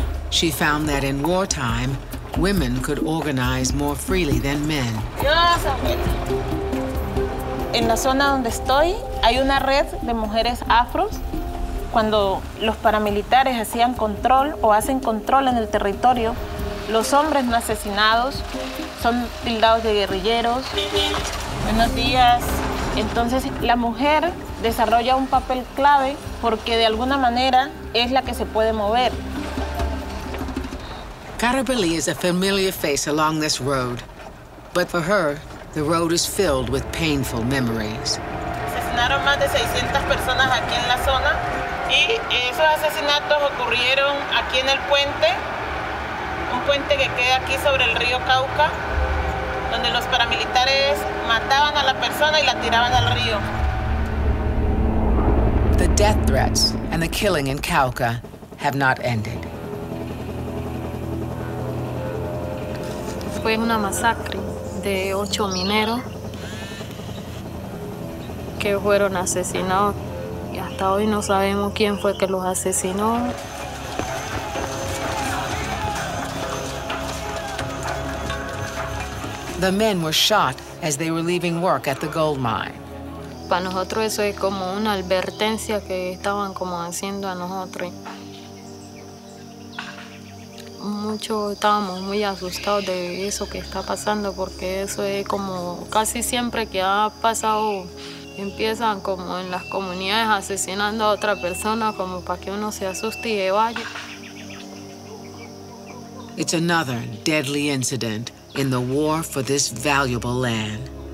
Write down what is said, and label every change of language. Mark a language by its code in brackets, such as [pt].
[en] She found that in wartime, women could organize more freely than men. [es] En la zona donde estoy, hay una red de mujeres afros. Cuando los paramilitares hacían control o hacen control en el territorio, los hombres no asesinados son tildados de guerrilleros. Buenos días. Entonces, la mujer desarrolla un papel clave porque de alguna manera es la que se puede mover. [en] Carabelli is a familiar face along this road, but for her, the road is filled with painful memories. [es] Asesinaron más de 600 personas aquí en la zona y esos asesinatos ocurrieron aquí en el puente, un puente que queda aquí sobre el río Cauca, donde los paramilitares mataban a la persona y la tiraban al río. [en] The death threats and the killing in Cauca have not ended. [es] Fue una masacre de 8 mineros que fueron asesinados. Y hasta hoy no sabemos quién fue que los asesinó. [en] The men were shot as they were leaving work at the gold mine. [es] Para nosotros eso es como una advertencia que estaban como haciendo a nosotros. Muchos estábamos muy asustados de eso que está pasando, porque eso es como casi siempre que ha pasado, empiezan como en las comunidades asesinando a otra persona como para que uno se asuste y vaya. [en] It's another deadly incident in the war for this valuable land.